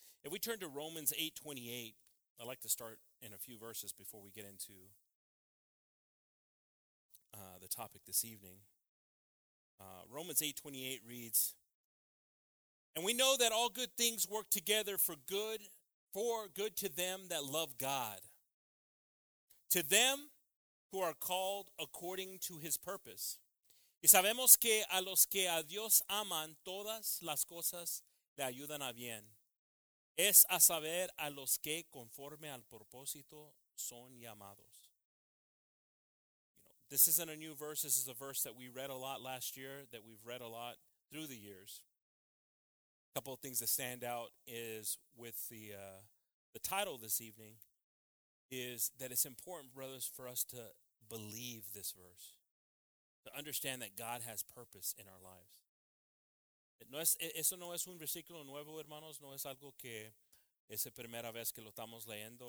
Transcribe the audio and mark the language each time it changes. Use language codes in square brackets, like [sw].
[en] If we turn to Romans 8:28, I'd like to start in a few verses before we get into the topic this evening. Romans 8:28 reads, "And we know that all good things work together for good to them that love God. To them who are called according to his purpose. [es] Y sabemos que a los que a Dios aman, todas las cosas le ayudan a bien. Es a saber a los que conforme al propósito son llamados." [en] This isn't a new verse. This is a verse that we read a lot last year, that we've read a lot through the years. A couple of things that stand out is with the title this evening, is that it's important, brothers, for us to believe this verse, to understand that God has purpose in our lives. [es] Eso no es un versículo nuevo, hermanos. No es algo que es la primera vez que lo estamos leyendo.